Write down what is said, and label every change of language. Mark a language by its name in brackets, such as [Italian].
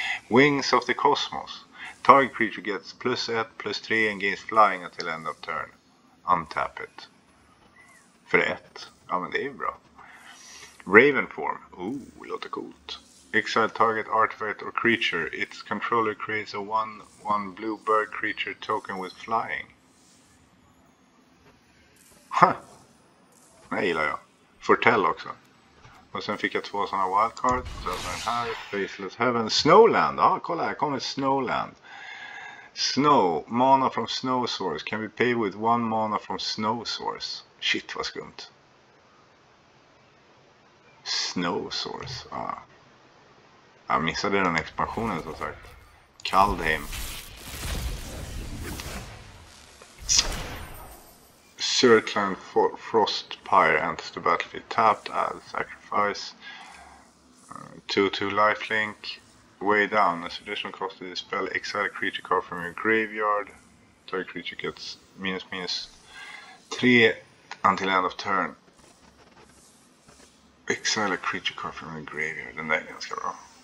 [English] Wings of the Cosmos. Target creature gets +1/+3 and gains flying until end of turn. Untap it. [Swedish] För ett. Ja, men det är bra. Raven form. Ooh, låter coolt. [English] Exile target artifact or creature. Its controller creates a 1/1 blue bird creature token with flying. [Swedish] Huh. Det gillar jag. Fortell också. Och sen fick jag två sådana wildcard. Och så den här, Faceless Heaven, Snowland. Ja, kolla här, kommer Snowland. [English] Snow, mana from Snow Source. Can we pay with one mana from Snow Source? [Swedish] Shit, vad skumt. Snow Source, ja. Ah. Jag missade den expansionen så sagt. Kaldheim. [English] Circling Frost Pyre enters the battlefield tapped, add sacrifice. 2-2 lifelink. Way down, as additional cost of the spell, exile a creature card from your graveyard. Target creature gets minus 3 until end of turn. Exile a creature card from your graveyard, [Swedish] den där är ganska bra.